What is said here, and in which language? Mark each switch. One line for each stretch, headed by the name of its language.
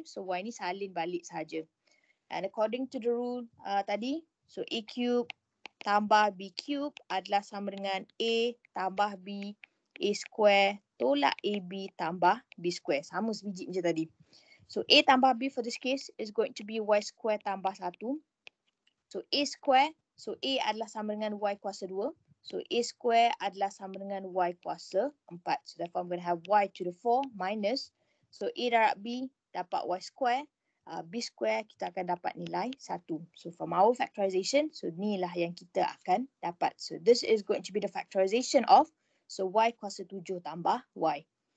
Malay: So Y ni salin balik sahaja.
English: And according to the rule
Malay: tadi, so A cube tambah B cube adalah sama dengan A tambah B, A square tolak AB tambah B square. Sama sebiji macam tadi.
English: So A tambah B for this case is going to be Y square tambah 1.
Malay: So A square, so A adalah sama dengan Y kuasa 2. So A square adalah sama dengan Y kuasa 4.
English: So therefore I'm going to have Y to the 4 minus.
Malay: So A darab B dapat Y square. B square kita akan dapat nilai 1. So from our factorization, so ni lah yang kita akan dapat.
English: So this is going to be the factorization of, so Y kuasa 7 tambah Y.